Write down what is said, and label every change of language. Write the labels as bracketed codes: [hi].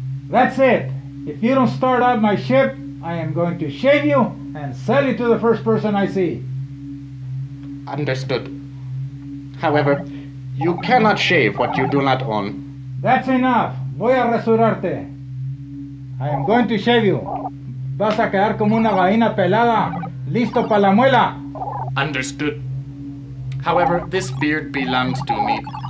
[en] That's it. If you don't start out my ship, I am going to shave you and sell you to the first person I see. Understood. However, you cannot shave what you do not own. That's enough. [es] Voy a rasurarte. [en] I am going to shave you. [es] Vas a quedar como una vaina pelada. Listo para la muela. [en] Understood. However, this beard belongs to me.